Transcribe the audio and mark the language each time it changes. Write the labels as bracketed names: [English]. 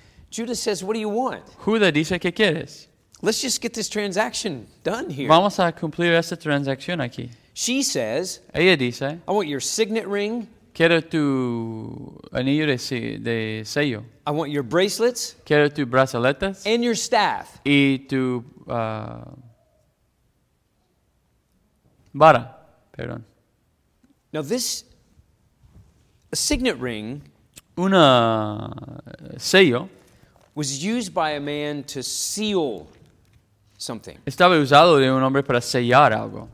[English] Judah says, what do you want? [Spanish] Judah dice, ¿qué quieres? [English] Let's just get this transaction done here. [Spanish] Vamos a cumplir esta transacción aquí. [English] She says, [Spanish] ella dice, [English] I want your signet ring. [Spanish] Quiero tu anillo de sello. [English] I want your bracelets. [Spanish] Quiero tu brazaletas. [English] And your staff. [Spanish] Y tu... vara, perdón. [English] Now this, a signet ring, [Spanish] una sello, [English] was used by a man to seal something. [Spanish] Estaba usado de un hombre para sellar algo.